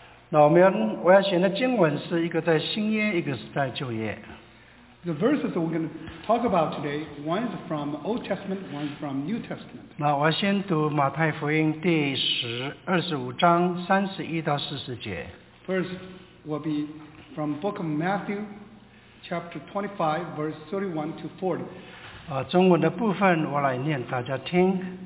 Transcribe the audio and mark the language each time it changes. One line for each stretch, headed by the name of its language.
Chinese: 我要选的经文是一个在新约，一个是在旧约。
English: The verses that we're going to talk about today, one is from Old Testament, one is from New Testament.
Chinese: 那我先读马太福音第十二十五章三十一到四十节。
English: First will be from Book of Matthew, chapter 25, verse 31 to 40.
Chinese: 中文的部分我来念，大家听。